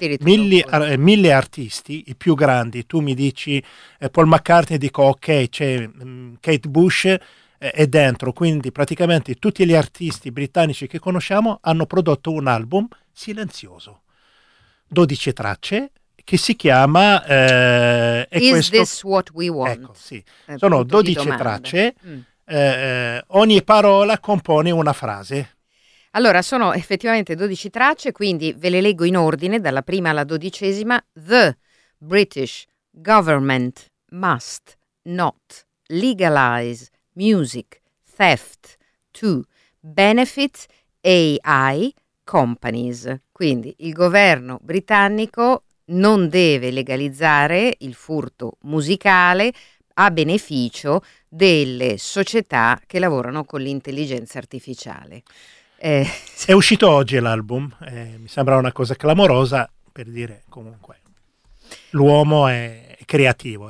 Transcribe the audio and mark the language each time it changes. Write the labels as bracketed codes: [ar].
[it] Mille artisti, i più grandi, tu mi dici Paul McCartney, dico ok, c'è Kate Bush è dentro, quindi praticamente tutti gli artisti britannici che conosciamo hanno prodotto un album silenzioso, 12 tracce, che si chiama [en] Is [it] questo, [en] This What We Want? [it] Ecco, sì. Sono 12 tracce. Ogni parola compone una frase. Allora, sono effettivamente 12 tracce, quindi ve le leggo in ordine dalla prima alla dodicesima. [en] The British government must not legalize music theft to benefit AI companies. [it] Quindi il governo britannico non deve legalizzare il furto musicale a beneficio delle società che lavorano con l'intelligenza artificiale. È uscito oggi l'album, mi sembra una cosa clamorosa, per dire, comunque l'uomo è creativo.